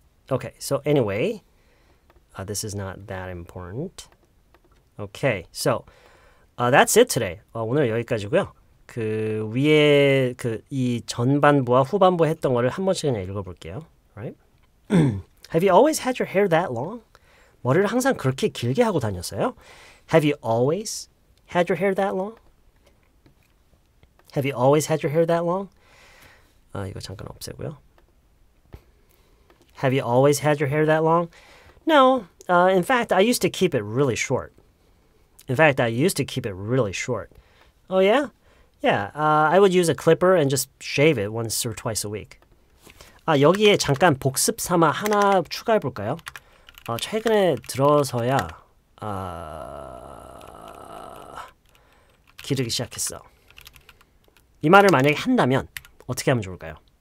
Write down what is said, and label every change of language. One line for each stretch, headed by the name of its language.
English: 오케이. So anyway, this is not that important. Okay, so that's it today.
Korean: 오늘 여기까지고요. 그 위에 그 이 전반부와 후반부 했던 거를 한 번씩 그냥 읽어볼게요.
English: Right? Have you always had your hair that long?
Korean: 머리를 항상 그렇게 길게 하고 다녔어요?
English: Have you always had your hair that long? Have you always had your hair that long?
Korean: 이거 잠깐 없애고요.
English: Have you always had your hair that long? No, in fact, I used to keep it really short. In fact, I used to keep it really short. Oh, yeah? Yeah, I would use a clipper and just shave it once or twice a week.
Korean: 아, 여기에 잠깐 복습 삼아 하나 추가해 볼까요? 최근에 들어서야 기르기 시작했어. 이 말을 만약에 한다면 어떻게 하면 좋을까요?